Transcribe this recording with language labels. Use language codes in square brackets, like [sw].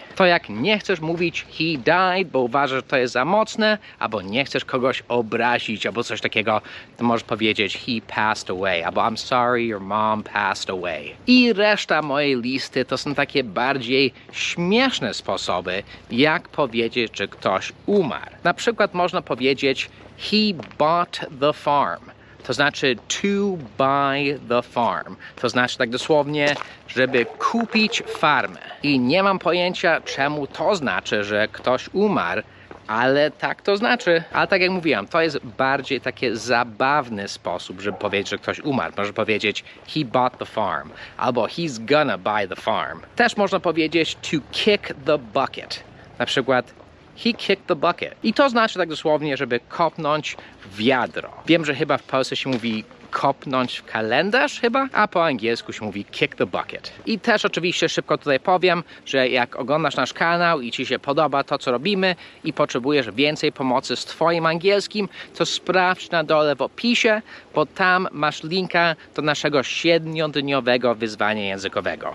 [pl] To jak nie chcesz mówić [en] he died, [pl] bo uważasz, że to jest za mocne, albo nie chcesz kogoś obrazić, albo coś takiego, to możesz powiedzieć [en] he passed away, [pl] albo [en] I'm sorry, your mom passed away. [pl] I reszta mojej listy to są takie bardziej śmieszne sposoby, jak powiedzieć, że ktoś umarł. Na przykład można powiedzieć [en] he bought the farm. [pl] To znaczy [en] to buy the farm. [pl] To znaczy tak dosłownie, żeby kupić farmę. I nie mam pojęcia, czemu to znaczy, że ktoś umarł, ale tak to znaczy. Ale tak jak mówiłem, to jest bardziej taki zabawny sposób, żeby powiedzieć, że ktoś umarł. Można powiedzieć [en] he bought the farm, [pl] albo [en] he's gonna buy the farm. [pl] Też można powiedzieć [en] to kick the bucket. [pl] Na przykład [en] he kicked the bucket. [pl] I to znaczy tak dosłownie, żeby kopnąć wiadro. Wiem, że chyba w Polsce się mówi kopnąć w kalendarz chyba, a po angielsku się mówi [en] kick the bucket. [pl] I też oczywiście szybko tutaj powiem, że jak oglądasz nasz kanał i ci się podoba to, co robimy i potrzebujesz więcej pomocy z twoim angielskim, to sprawdź na dole w opisie, bo tam masz linka do naszego 7-dniowego wyzwania językowego.